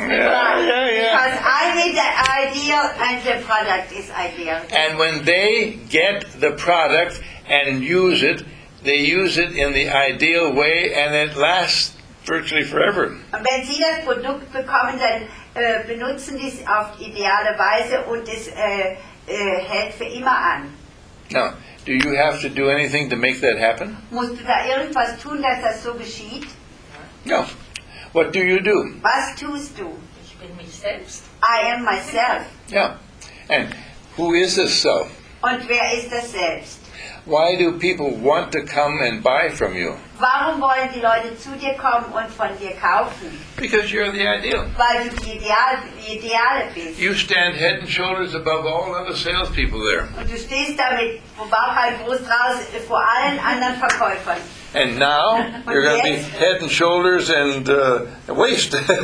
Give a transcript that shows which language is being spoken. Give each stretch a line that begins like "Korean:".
English: I need the ideal and the product is ideal. And when they get the product and use it, they use it in the ideal way and it lasts virtually forever.
German: Und wenn sie das Produkt bekommen, dann benutzen die es auf ideale Weise und es hält für immer an.
English: No. Do you have to do anything to make that happen?
German: Musst du da irgendwas tun, dass das so geschieht?
English: No. What do you do?
German: Was tust du? Ich bin mich selbst.
English: I am myself. Yeah. And who is this self?
German: Und wer ist das selbst?
English: Why do people want to come and buy from you?
German: Warum wollen die Leute zu dir kommen und von dir kaufen?
English: Because you're the ideal.
German: Weil du die ideale bist.
English: You stand head and shoulders above all other salespeople there.
German: Und du stehst damit vor allen anderen Verkäufern.
English: And now you're going to be head and shoulders and waist.